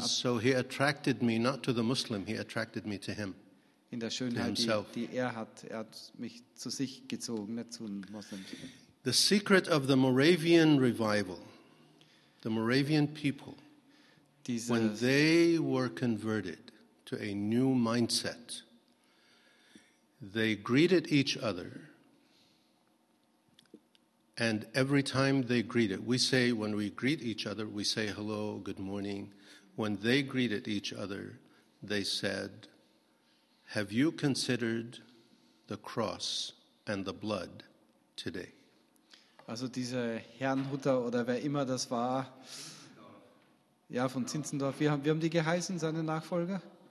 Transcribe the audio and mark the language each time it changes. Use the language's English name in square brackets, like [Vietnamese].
[English] so he attracted me not to the Muslim, he attracted me to him. [German] In der Schönheit, die hat. Er hat mich zu sich gezogen, nicht zu einem Muslim. [English] The secret of the Moravian revival. The Moravian people, when they were converted to a new mindset, they greeted each other, and every time they greeted, we say when we greet each other, we say hello, good morning. When they greeted each other, they said, have you considered the cross and the blood today? [German] Also diese Herrnhuter oder wer immer das war, ja, von Zinzendorf, wir haben die geheißen, seine Nachfolger?